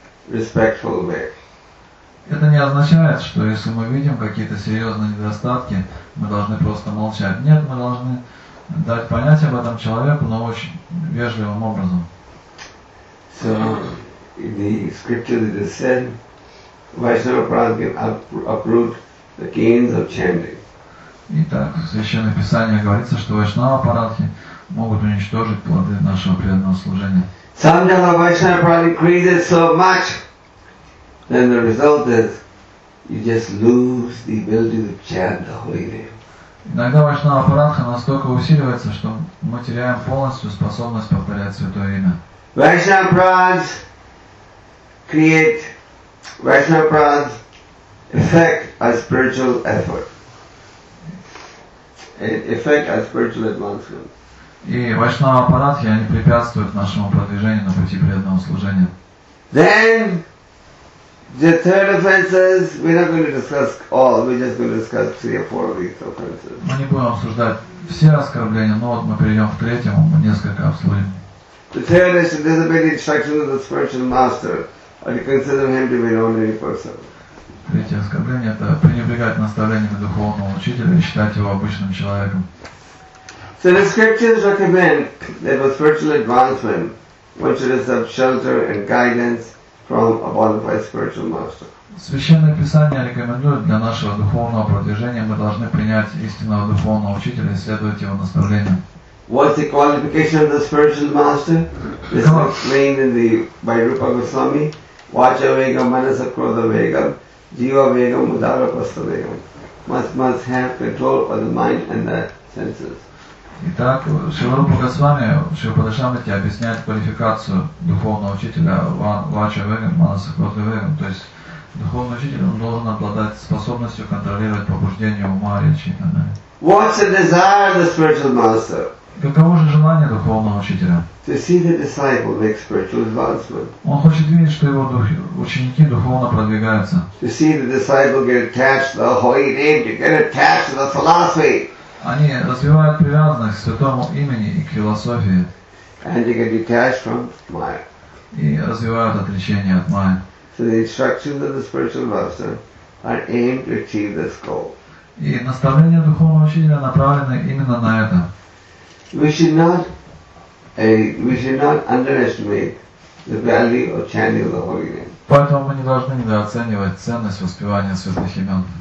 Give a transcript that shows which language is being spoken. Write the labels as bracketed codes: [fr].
[ru] Это не означает, что если мы видим какие-то серьезные недостатки, мы должны просто молчать. Нет, мы должны дать понять об этом человеку, но очень вежливым образом. [en] In the scripture that is said, Vaishnava Prat can uproot the gains of chanting. [ru] Итак, в Священном Писании говорится, что Vaishnava Paratki могут уничтожить плоды нашего преданного служения. [en] Sometimes Vaishnava Prat increases so much, then the result is you just lose the ability to chant the holy name. [ru] Иногда Vaishnava Paratka настолько усиливается, что мы теряем полностью способность повторять святое имя. [en] Vaishnava Prat create Vaishnava Prat's effect as spiritual effort. Effect as spiritual advancement. [ru] И Vaishnava Paratki, они препятствуют нашему продвижению на пути преданного служения. [en] Then, the third offenses, we're not going to discuss all, we're just going to discuss three or four of these offenses. [ru] Мы не будем обсуждать все оскорбления, но вот мы перейдем к третьему, мы несколько обсудим. [en] The third is to disobey the instructions of the spiritual master. Or to consider him to be an ordinary person. [ru] Третье оскорбление — это пренебрегать наставлениями духовного учителя и считать его обычным человеком. [en] So the scriptures recommend that for spiritual advancement, one should accept shelter and guidance from a bona fide spiritual master. [ru] Священное Писание рекомендует для нашего духовного продвижения мы должны принять истинного духовного учителя и следовать его наставлениям. [en] What's the qualification of the spiritual master? This is explained in the by Rupa Goswami. [sa] Vacha Vegam, Manasa Krodha Vegam, Jiva Vegam, Udara Prastha Vegam. [en] Must have control of the mind and the senses. [ru] Итак, Шрила Рупа Госвами, Шрипада Шамати объясняет квалификацию духовного учителя [sa] Вача Вегам, Манаса Крота Вегам. [ru] То есть духовный учитель он должен обладать способностью контролировать побуждение ума, речи и так далее. [en] What's the desire of the spiritual master? [ru] Каково же желание духовного учителя? [en] To see the disciple make spiritual advancement. [ru] Он хочет видеть, что его ученики духовно продвигаются. [en] To see the disciple get attached to the holy name, to get attached to the philosophy. [ru] Они развивают привязанность к святому имени и к философии. [en] And they get detached from Maya. [ru] И развивают отречение от Майя. [en] So the instructions of the spiritual master are aimed to achieve this goal. [ru] И наставления духовного учителя направлены именно на это. [en] We should not underestimate the value of chanting the holy name. [ru] Поэтому мы не должны недооценивать ценность воспевания святых имен.